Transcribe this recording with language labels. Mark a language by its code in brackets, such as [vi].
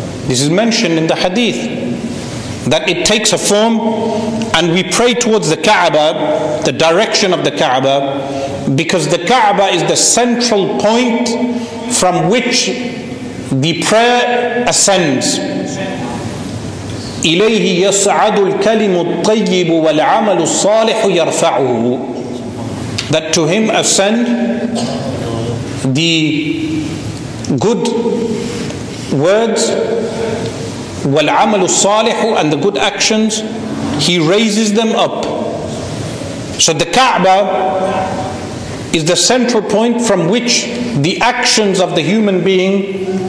[en] This is mentioned in the hadith, that it takes a form, and we pray towards the Kaaba, the direction of the Kaaba, because the Kaaba is the central point from which the prayer ascends. [ar] إليه يصعد الكلم الطيب والعمل الصالح يرفعه. [en] That to him ascend the good words, [ar] والعمل الصالح, [en] and the good actions, he raises them up. So the Kaaba is the central point from which the actions of the human being